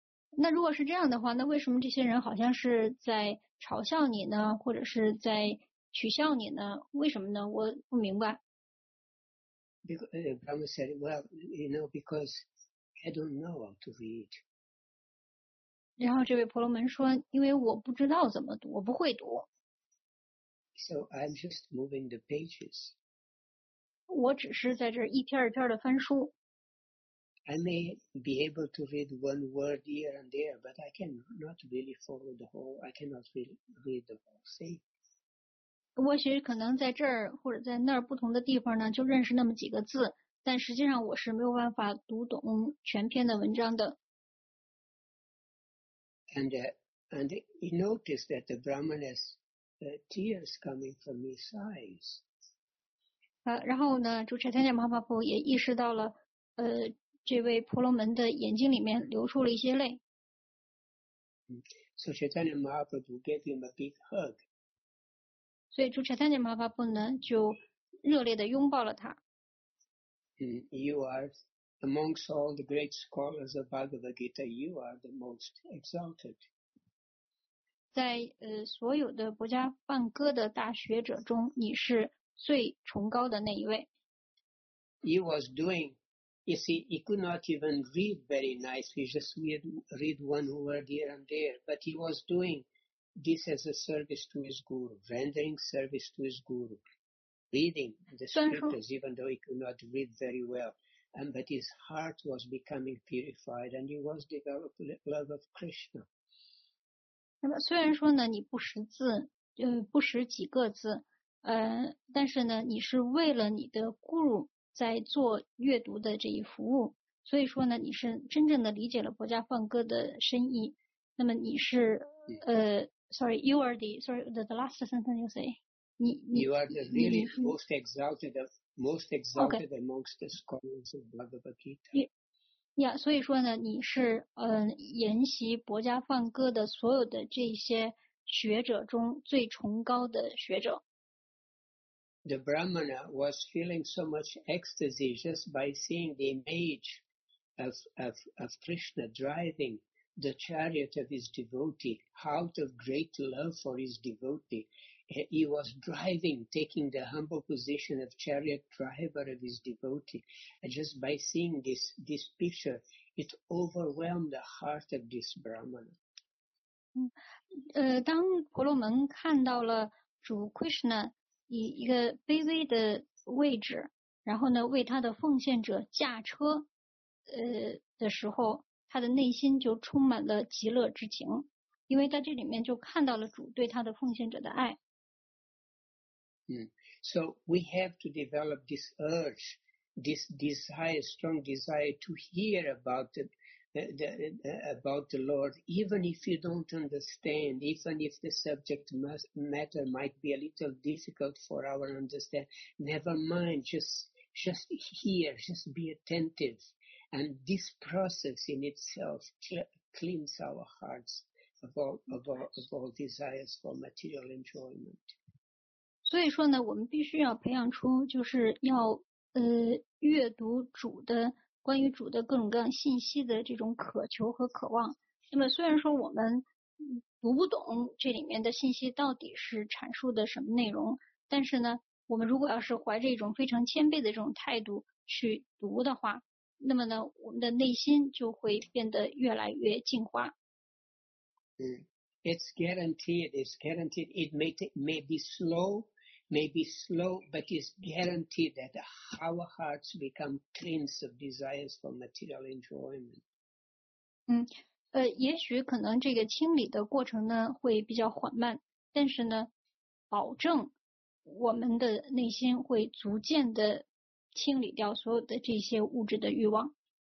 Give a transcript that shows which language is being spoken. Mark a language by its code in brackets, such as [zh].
[zh] 那如果是这样的话，那为什么这些人好像是在嘲笑你呢，或者是在取笑你呢？为什么呢？我不明白。 [en] Because Brahma said, "Well, you know, because I don't know how to read." [zh] 然后这位婆罗门说，因为我不知道怎么读，我不会读。 [en] So I'm just moving the pages. [zh] 我只是在这一篇一篇的翻书。 [en] I may be able to read one word here and there, but I cannot really follow the whole, I cannot really read the whole thing. [zh] 我其实可能在这儿或者在那儿不同的地方呢就认识那么几个字，但实际上我是没有办法读懂全篇的文章的。 [en] And you notice that the Brahmana's tears coming from his eyes. [zh] 然后呢主持人马法布也意识到了这位婆罗门的眼睛里面流出了一些泪。 [en] So Chaitanya Mahaprabhu gave him a big hug. [zh] 所以主持人妈妈不能就热烈地拥抱了他。 [en] You are amongst all the great scholars of Bhagavad Gita, you are the most exalted. [zh] 在所有的博伽梵歌的大学者中你是最崇高的那一位。 [en] He was doing, you see, he could not even read very nice, he just read one word here and there, but he was doing,This is a service to his guru, rendering service to his guru, reading the scriptures, even though he could not read very well. And, but his heart was becoming purified and he was developing love of Krishna. [zh] 那么虽然说呢你不识字不识几个字但是呢你是为了你的 guru 在做阅读的这一服务。所以说呢你是真正的理解了博伽梵歌的深意。那么你是 [en] Sorry, you are the last sentence you say. You are the really most exalted、okay. amongst the scholars of Bhagavad Gita. [zh] Yeah, 所以说呢，你是研习博伽梵歌的所有的这些学者中最崇高的学者。 [en] The Brahmana was feeling so much ecstasy just by seeing the image of Krishna driving. The chariot of his devotee, out of great love for his devotee, he was driving, taking the humble position of chariot driver of his devotee. And just by seeing this picture, it overwhelmed the heart of this Brahmana. [zh] 当婆罗门看到了主 Krishna 以一个卑微的位置，然后呢为他的奉献者驾车，的时候。他的内心就充满了极乐之情，因为在这里面就看到了主对他的奉献者的爱。 [en] So we have to develop this urge, this desire, strong desire to hear about about the Lord, even if you don't understand, even if the subject matter might be a little difficult for our understanding. Never mind, just hear, just be attentive. And this process in itself cleans our hearts of all desires for material enjoyment. [zh] 所以说呢，我们必须要培养出，就是要阅读主的关于主的各种各样信息的这种渴求和渴望。那么虽然说我们读不懂这里面的信息到底是阐述的什么内容，但是呢，我们如果要是怀着一种非常谦卑的这种态度去读的话。那么呢，我们的内心就会变得越来越净化。 [en] It's guaranteed. It's guaranteed. It may be slow, but it's guaranteed that our hearts become cleansed of desires for material enjoyment. [zh] 也许可能这个清理的过程呢会比较缓慢，但是呢，保证我们的内心会逐渐的。清理掉所有的这些物质的欲望。